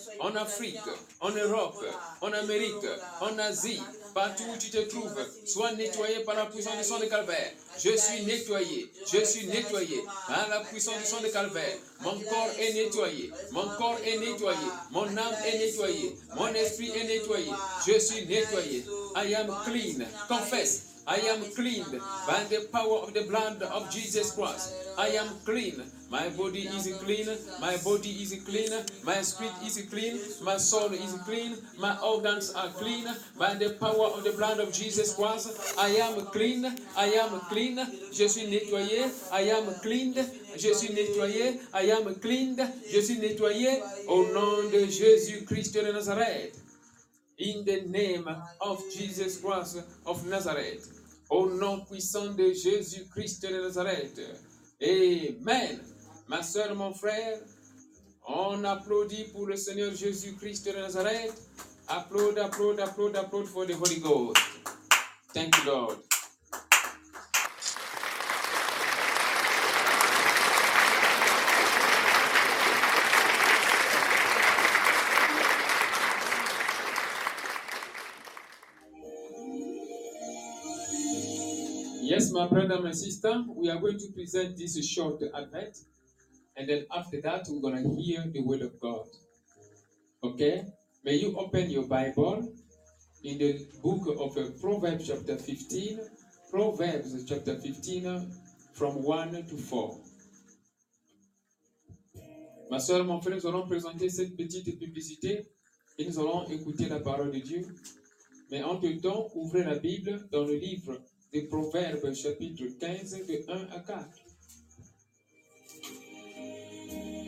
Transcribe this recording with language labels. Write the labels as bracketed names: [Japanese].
[French] En Afrique, en Europe, en Amérique, en Asie, partout où tu te trouves, sois nettoyé par la puissance du sang de Calvaire. Je suis nettoyé par la puissance du sang de Calvaire. Mon corps est nettoyé, mon corps est nettoyé, mon âme est nettoyée, mon esprit est nettoyé, je suis nettoyé. [English] I am clean, confess. I am clean by the power of the blood of Jesus Christ. I am clean. My body is clean. My body is clean. My spirit is clean. My soul is clean. My organs are clean. By the power of the blood of Jesus Christ, I am clean. I am clean. [French] Je suis nettoyé. [English] I am cleaned. [French] Je suis nettoyé. [English] I am cleaned. [French] Je suis nettoyé. Au nom de Jésus Christ de Nazareth. [English] In the name of Jesus Christ of Nazareth. [French] Au nom puissant de Jésus Christ de Nazareth. Amen. Ma soeur, mon frère, on applaudit pour le Seigneur Jésus Christ de Nazareth. [English] Applaud, applaud, applaud, applaud for the Holy Ghost. Thank you, Lord. My brother, my sister, we are going to present this short advent, and then after that, we're going to hear the word of God. Okay? May you open your Bible in the book of Proverbs chapter 15, Proverbs chapter 15, from 1 to 4. [French] Ma soeur, mon frère, nous allons présenter cette petite publicité et nous allons écouter la parole de Dieu. Mais entre temps, ouvrez la Bible dans le livre des Proverbes, chapitre 15, de 1 à 4.